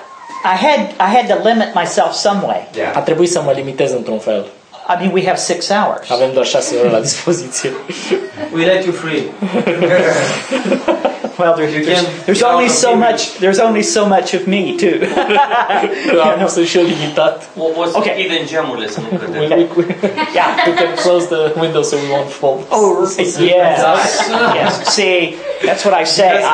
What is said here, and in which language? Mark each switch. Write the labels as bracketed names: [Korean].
[English] Well, but I had to limit myself some way. [Romanian] A trebuit să mă limitez într-un fel. [English] I mean, we have 6 hours. [Romanian] Avem doar 6 ore la dispoziție. [English] We let you free. Well, there's only so much of me too. [Romanian] Nu sunt și eu limitat. [English] Okay, even [Romanian] gemurile sunt limitate. [English] Yeah, we can close the window so we won't fall. Oh, yes. See, that's what I say.